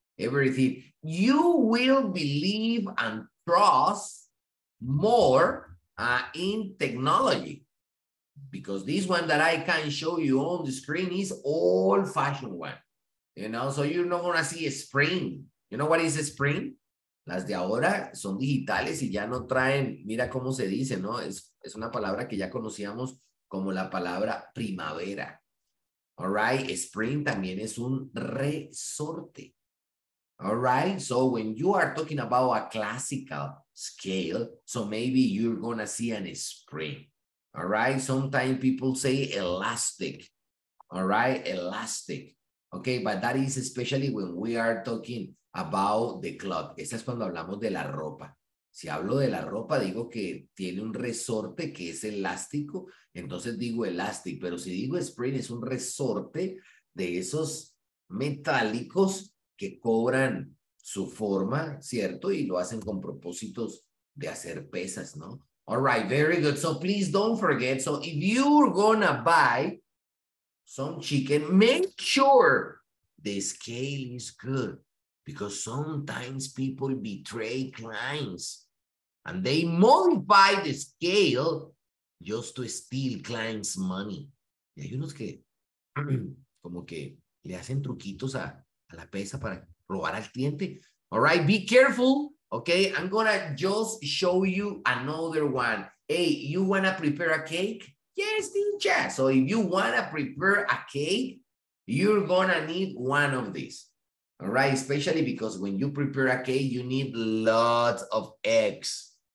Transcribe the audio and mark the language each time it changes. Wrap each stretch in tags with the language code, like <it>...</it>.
<en>Everything you will believe and trust more in technology, because this one that I can show you on the screen is old fashioned one, you know. So you're not gonna see a spring. You know what is a spring?</en> <es>Las de ahora son digitales y ya no traen, mira cómo se dice, ¿no? Es una palabra que ya conocíamos como la palabra primavera.</es> <en>All right,</en> <es>spring también es un resorte.</es> <en>All right, so when you are talking about a classical scale, so maybe you're gonna see an spring. All right, sometimes people say elastic. All right, elastic. Okay, but that is especially when we are talking about the cloth.</en> <es>Esa es cuando hablamos de la ropa. Si hablo de la ropa, digo que tiene un resorte que es elástico, entonces digo elastic. Pero si digo spring, es un resorte de esos metálicos que cobran su forma, ¿cierto? Y lo hacen con propósitos de hacer pesas, ¿no?</es> <en>All right, very good. So please don't forget. So if you're gonna buy some chicken, make sure the scale is good, because sometimes people betray clients and they modify the scale just to steal clients' money.</en> <es>Y hay unos que como que le hacen truquitos a la pesa para robar al cliente.</es> <en>All right, be careful. Okay, I'm gonna just show you another one. Hey, you wanna prepare a cake? Yes, teacher. So if you wanna prepare a cake, you're gonna need one of these. All right, especially because when you prepare a cake, you need lots of eggs.</en>